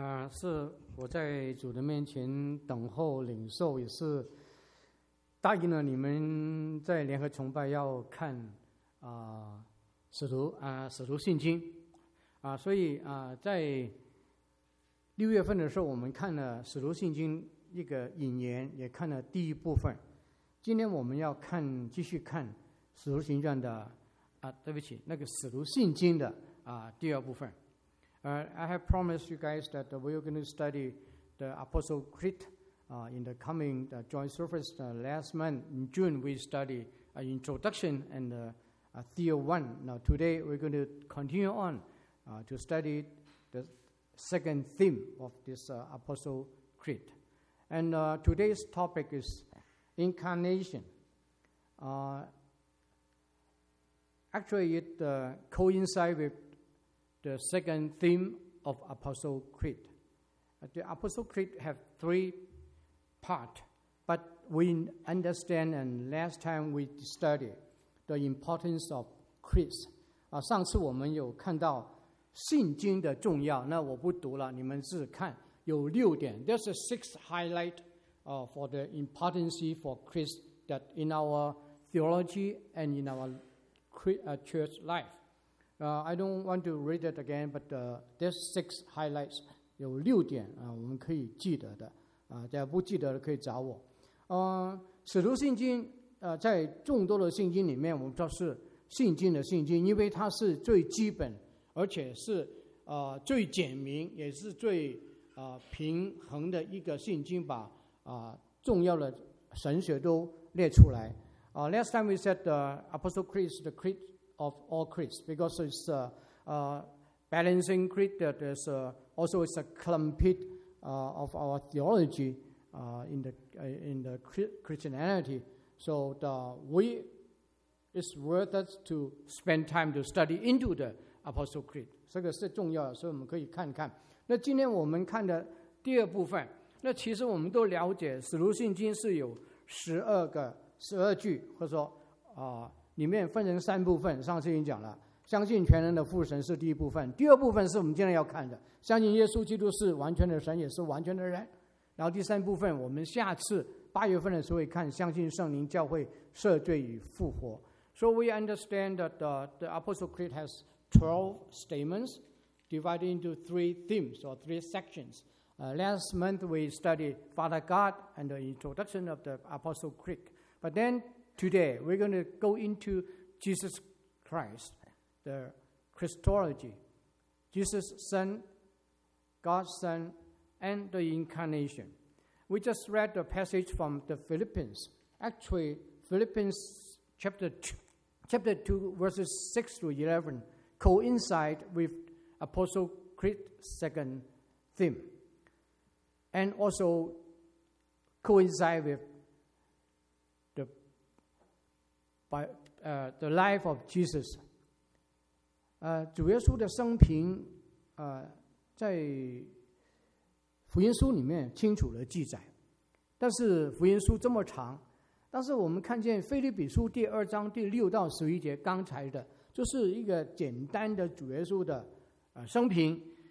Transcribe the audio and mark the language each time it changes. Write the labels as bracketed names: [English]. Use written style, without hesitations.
[Chinese] 是我在主的面前等候领受，也是答应了你们在联合崇拜要看使徒信经所以在六月份的时候，我们看了使徒信经一个引言，也看了第一部分。今天我们要看继续看使徒行传的对不起，那个使徒信经的第二部分。 [English] I have promised you guys that we are going to study the Apostle Creed in the coming joint service. Last month, in June, we studied introduction and Theo 1. Now, today, we're going to continue on to study the second theme of this Apostle Creed. And today's topic is incarnation. Actually, it coincides with the second theme of Apostle Creed. The Apostle Creed have three parts, but we understand, and last time we studied the importance of Creed. [Chinese] 上次我们有看到信经的重要，那我不读了，你们自己看，有六点。 [English] There's a sixth highlight for the importance for Creed that in our theology and in our church life. I don't want to read it again, but there's six highlights. 有六点我们可以记得的大家不记得的可以找我。 [Chinese] 使徒信经在众多的信经里面，我们知道是信经的信经，因为它是最基本，而且是最简明，也是最平衡的一个信经，把重要的神学都列出来。 [English] Last time we said the Apostle Creed, the Creed. Of all creeds, because it's a balancing creed that is also it's a complete of our theology in the Christianity. So it's worth us to spend time to study into the Apostle Creed. [Chinese] 这个是重要的，所以我们可以看看。那今天我们看的第二部分，那其实我们都了解，《使徒信经》是有十二句，或者说里面分成三部分，上次已经讲了，相信全能的父神是第一部分，第二部分是我们今天要看的，相信耶稣基督是完全的神也是完全的人，然后第三部分我们下次八月份的时候会看，相信圣灵教会赦罪与复活。 [English] So we understand that the Apostle Creed has 12 statements divided into three themes or three sections. Last month we studied Father God and the introduction of the Apostle Creed, but thenToday, we're going to go into Jesus Christ, the Christology, Jesus' Son, God's Son, and the Incarnation. We just read the passage from the Philippians. Actually, Philippians chapter 2, verses 6 to 11, coincide with Apostle Creed's second theme, and also coincide withThe life of Jesus. [Chinese] 主耶稣的生平在福音书里面清楚的记载，但是福音书这么长，但是我们看见腓立比书第二章第六到十一节，刚才的就是一个简单的主耶稣的生平。